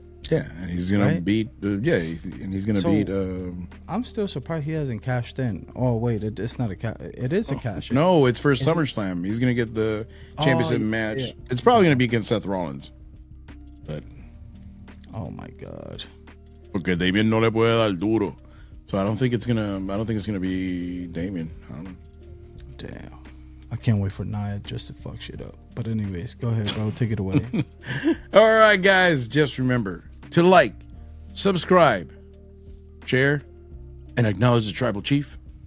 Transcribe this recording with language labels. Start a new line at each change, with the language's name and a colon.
English: Yeah, and he's going to beat... beat... I'm still surprised he hasn't cashed in. Oh, wait, it's not a cash... It is a cash in. No, it's for SummerSlam. He's going to get the championship match. Yeah. It's probably going to be against Seth Rollins. But... Oh, my God.
Spanish: Porque Damien no le puede dar duro.
English: So I don't think it's going to... I don't think it's going to be Damien. I don't know. Damn. I can't wait for Nia just to fuck shit up. But anyways, go ahead, bro. Take it away. All right, guys. Just remember to like, subscribe, share, and acknowledge the tribal chief.